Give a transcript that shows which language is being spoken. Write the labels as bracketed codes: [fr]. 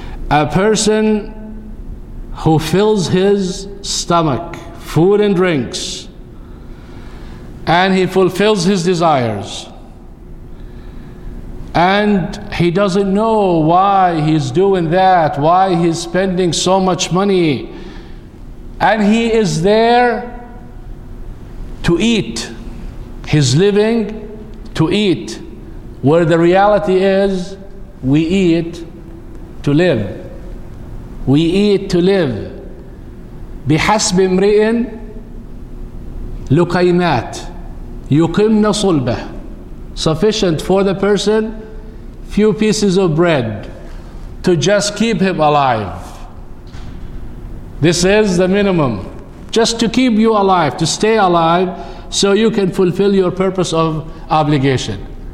[en] A person who fills his stomach, food and drinks, and he fulfills his desires, and he doesn't know why he's doing that, why he's spending so much money, and he is there to eat. He's living to eat, where the reality is we eat to live. We eat to live. [ar] بحسب امرئ لقيمات يقمن صلبه. [en] Sufficient for the person, few pieces of bread to just keep him alive. This is the minimum. Just to keep you alive, to stay alive, so you can fulfill your purpose of obligation.